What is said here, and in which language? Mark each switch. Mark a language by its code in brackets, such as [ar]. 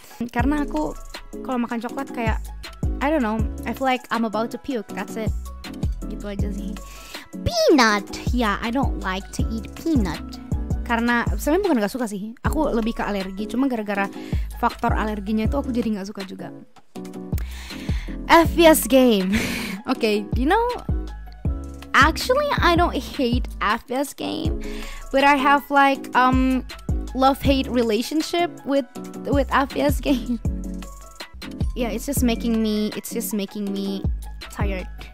[id] Karena aku kalau makan coklat kayak, [en] I don't know, I feel like I'm about to puke. That's it. [id] Gitu aja sih. [en] Peanut, yeah, I don't like to eat peanut. [id] Karena sebenarnya bukan nggak suka sih, aku lebih ke alergi. Cuma gara-gara faktor alerginya itu aku jadi nggak suka juga. [en] FPS game, okay, you know, actually I don't hate FPS game, but I have like love-hate relationship with FPS game. Yeah, it's just making me tired.